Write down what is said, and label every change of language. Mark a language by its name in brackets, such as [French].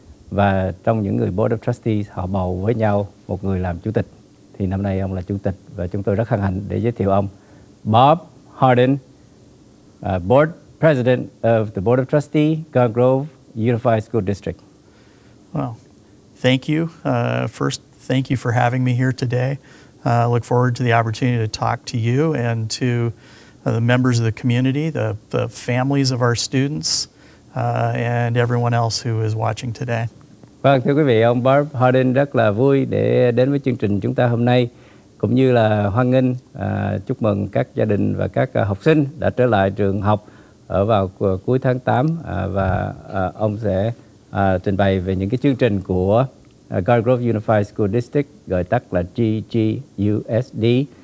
[Vietnamese] Và trong những người Board of Trustees, họ bầu với nhau một người làm chủ tịch. Thì năm nay ông là chủ tịch, và chúng tôi rất hân hạnh để giới thiệu ông Bob Hardin, Board President of the Board of Trustees, Garden Grove Unified School District. [English] Well, thank you. First, thank you for having me here today. I look forward to the opportunity to talk to you and to the members of the community, the families of our students, and everyone else who is watching today. [Vietnamese] Vâng, thưa quý vị, ông Bob Hardin rất là vui để đến với chương trình chúng ta hôm nay, cũng như là hoan nghênh, chúc mừng các gia đình và các học sinh đã trở lại trường học ở vào cuối tháng 8, và ông sẽ trình bày về những cái chương trình của Garden Grove Unified School District, gọi tắt là GGUSD.